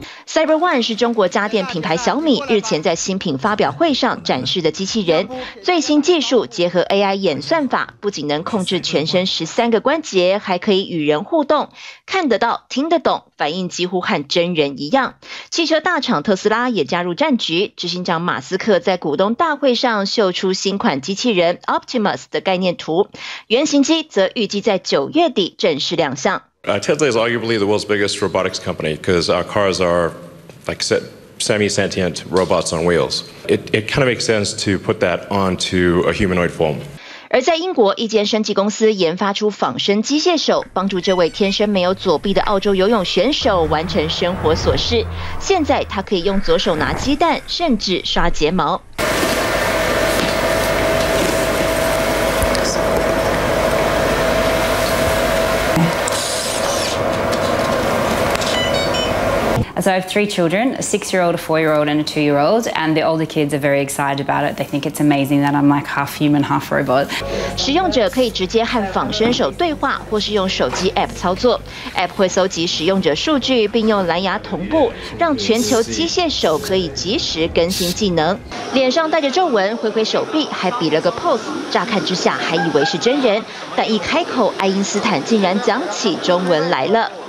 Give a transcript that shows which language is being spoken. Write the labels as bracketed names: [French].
[Chinese] CyberOne 是中国家电品牌小米日前在新品发表会上展示的机器人，最新技术结合 AI 演算法，不仅能控制全身13个关节，还可以与人互动，看得到，听得懂，反应几乎和真人一样。汽车大厂特斯拉也加入战局，执行长马斯克在股东大会上秀出新款机器人 Optimus 的概念图，原型机则预计在9月底正式亮相。 [English] Tesla is arguably the world's biggest robotics company because our cars are like semi-sentient robots on wheels. It kind of makes sense to put that onto a humanoid form. [Chinese] 而在英国，一间生技公司研发出仿生机械手，帮助这位天生没有左臂的澳洲游泳选手完成生活琐事。现在他可以用左手拿鸡蛋，甚至刷睫毛。 [English] So I have three children, a six-year-old, a four-year-old, and a two-year-old, and the older kids are very excited about it. They think it's amazing that I'm like half human, half robot. [Chinese] 使用者可以直接和仿生手对话，或是用手机 App 操作。 App 会搜集使用者数据，并用蓝牙同步，让全球机械手可以及时更新技能。脸上带着皱纹，挥挥手臂，还比了个 pose。乍看之下还以为是真人，但一开口，爱因斯坦竟然讲起中文来了。